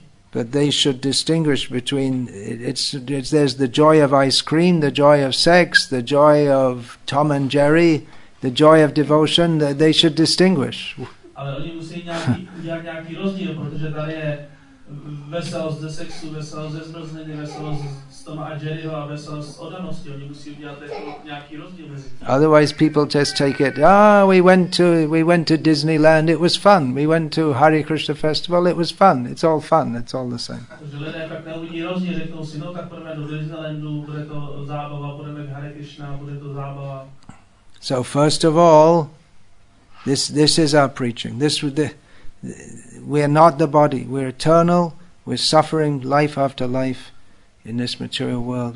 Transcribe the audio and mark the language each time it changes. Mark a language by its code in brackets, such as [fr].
[en] But they should distinguish between there's the joy of ice cream, the joy of sex, the joy of Tom and Jerry, the joy of devotion. They should distinguish. [cs] Ale oni musí nějaký dělat nějaký rozdíl, protože tady je veselost ze sexu, veselost ze zmrzliny, veselost z Toma a Jerryho a veselost z oddanosti. Oni musí udělat nějaký rozdíl mezi tím. [en] Otherwise people just take it, we went to Disneyland, it was fun. We went to Hare Krishna festival, it was fun. It's all fun, it's all the same. [cs] Takže lidé pak neuvidí rozdíl, řeknou si, no tak půjdeme do Disneylandu, bude to zábava, půjdeme k Hare Krishna, bude to zábava. [en] So first of all, this is our preaching. We are not the body. We are eternal. We are suffering life after life in this material world.